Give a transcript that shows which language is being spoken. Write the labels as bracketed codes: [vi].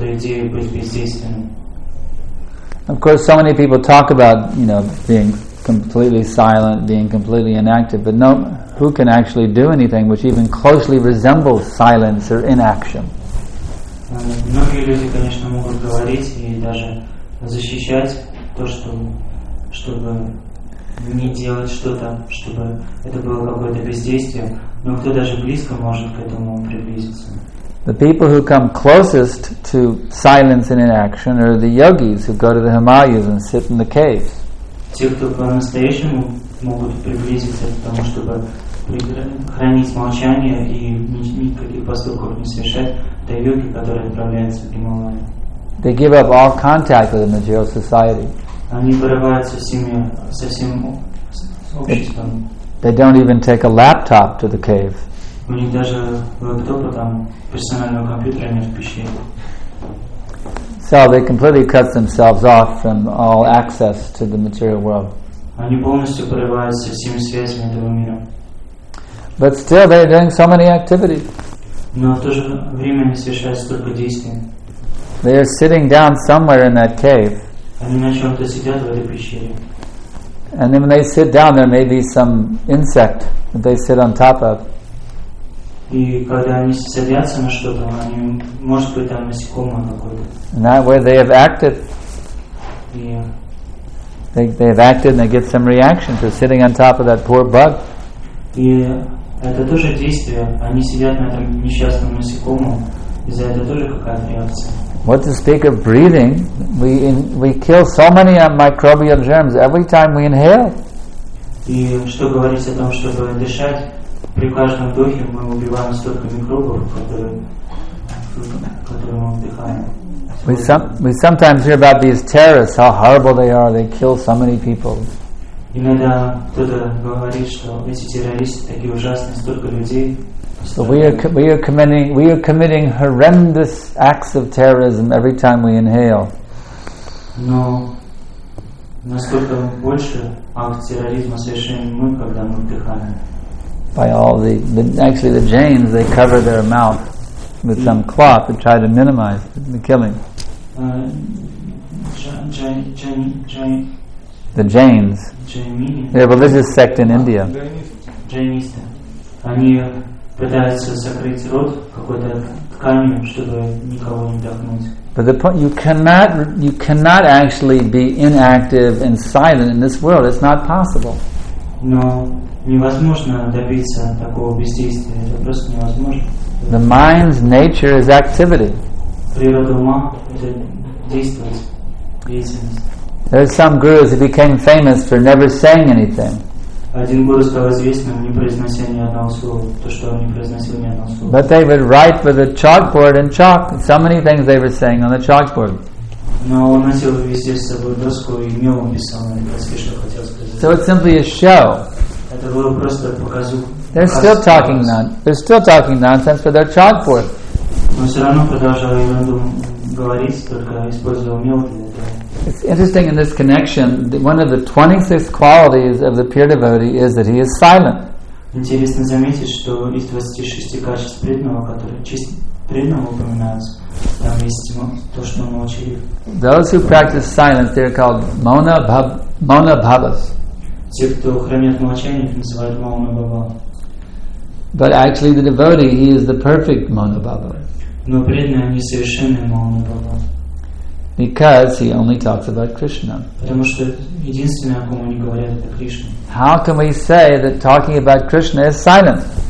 [en] Of course, so many people talk about being completely silent, being completely inactive, but who can actually do anything which even closely resembles silence or inaction? [ru] Многие люди, конечно, могут говорить и даже защищать то, чтобы не делать что-то, чтобы это было какое-то бездействие, но кто даже близко может к этому приблизиться? [en] The people who come closest to silence and inaction are the yogis who go to the Himalayas and sit in the caves. [ru] Те, кто по-настоящему могут приблизиться к тому, чтобы хранить молчание и никаких поступков не совершать, это йоги, которые отправляются в Гималайи. [en] They give up all contact with the material society. [ru] Они вырываются со всем обществом. [en] They don't even take a laptop to the cave. [ru] У них даже лэптопа там, персонального компьютера нет в пещере. [en] So they completely cut themselves off from all access to the material world. [ru] Они полностью порываются со всеми связями этого мира. [en] But still they are doing so many activities. [ru] Но в то же время они совершают столько действий. [en] They are sitting down somewhere in that cave. [ru] Они на чем-то сидят в этой пещере. [en] And then when they sit down, there may be some insect that they sit on top of. [ru] И когда они садятся на что-то, они, может быть, там насекомое какое-то. [en] Not where they have acted. Yeah. They've acted and they get some reaction to sitting on top of that poor bug. [ru] И это тоже действие. Они сидят на этом несчастном насекомом. И за это тоже какая-то реакция. [en] What to speak of breathing? We kill so many microbial germs every time we inhale. [ru] И что говорить о том, чтобы дышать? При каждом вдохе мы убиваем столько микробов, которые мы вдыхаем. [en] We sometimes hear about these terrorists, how horrible they are. They kill so many people. [ru] Иногда кто-то говорит, что эти террористы такие ужасные, столько людей. [en] So we are committing horrendous acts of terrorism every time we inhale. [ru] Но насколько больше акт терроризма совершаем мы, когда мы вдыхаем? [en] By all the Jains, they cover their mouth with some cloth and try to minimize the killing. The Jains. Jain-mini. They're a religious sect in India. Jainism. [ru] Пытаются закрыть рот какой-то тканью, чтобы никого не вдохнуть. [en] But the point, you cannot actually be inactive and silent in this world. It's not possible. [ru] Но невозможно добиться такого бездействия. Это просто невозможно. [en] The mind's nature is activity. [ru] Природа ума — это действовать, деятельность. [en] There are some gurus who became famous for never saying anything. [ru] Один гуру стал известным, не произнося ни одного слова, то, что он не произносил ни одного слова. [en] But they would write with a chalkboard and chalk, so many things they were saying on the chalkboard. [ru] Но он начал вести с собой доску и мелом писал на доске, что хотел сказать. [en] So it's simply a show. [ru] Это было просто показуха. [en] They're still talking nonsense for their chalkboard. [ru] Но все равно продолжал ерунду говорить, только использовал мел для этого. [en] It's interesting in this connection, one of the 26 qualities of the pure devotee is that he is silent. [ru] Интересно заметить, что из 26 качеств преданного, которые чисто преданного упоминаются, там есть то, что молчали. [en] Those who practice silence, they are called mona bhavas. [ru] Те, кто хранят молчание, их называют mona bhava. [en] But actually the devotee, he is the perfect mona bhava. [ru] Но преданные, они совершенные mona bhava. [en] Because he only talks about Krishna. [ru] Потому что единственное, о ком они говорят, это Кришна. [en] How can we say that talking about Krishna is silent?